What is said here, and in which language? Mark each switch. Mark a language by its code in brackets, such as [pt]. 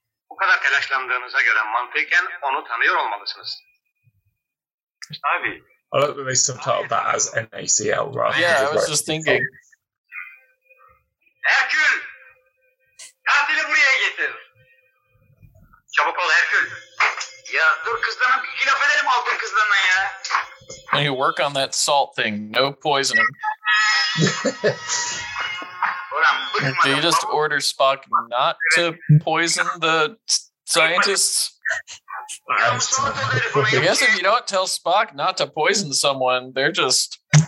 [tr] Bu kadar telaşlandığınıza göre mantıken onu tanıyor olmalısınız. Abi. [en] I like that they subtitled that as NACL rather than. Yeah, I was just thinking. [tr] Hercule! Katili buraya getir! Çabuk ol, Hercule! Ya dur kızlarına, iki laf edelim altın kızlarına ya! [en] And you work on that salt thing, no poisoning. Do you just order Spock not to poison the scientists? I guess if you don't tell Spock not to poison someone, they're just...